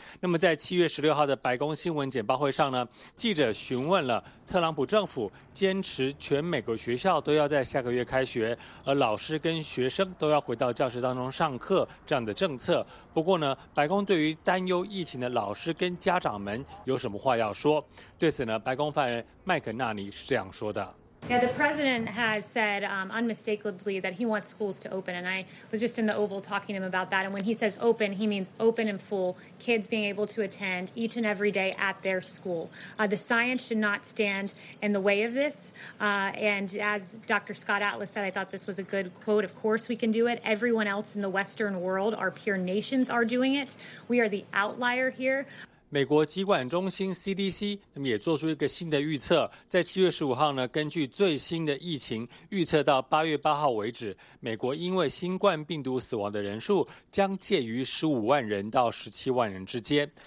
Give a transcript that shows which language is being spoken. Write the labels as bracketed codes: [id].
[zh] 那么在7月16号的白宫新闻简报会上呢，记者询问了特朗普政府坚持全美国学校都要在下个月开学，而老师跟学生都要回到教室当中上课这样的政策。不过呢，白宫对于担忧疫情的老师跟家长们有什么话要说？对此呢，白宫发言人麦肯纳尼是这样说的。 [en] Yeah, the president has said unmistakably that he wants schools to open. And I was just in the Oval talking to him about that. And when he says open, he means open and full, kids being able to attend each and every day at their school. The science should not stand in the way of this. And as Dr. Scott Atlas said, I thought this was a good quote. Of course we can do it. Everyone else in the Western world, our peer nations are doing it. We are the outlier here. [zh] 美国疾管中心 CDC 那么也做出一个新的预测，在7月15号呢，根据最新的疫情预测到8月8号为止，美国因为新冠病毒死亡的人数将介于15万人到17万人之间。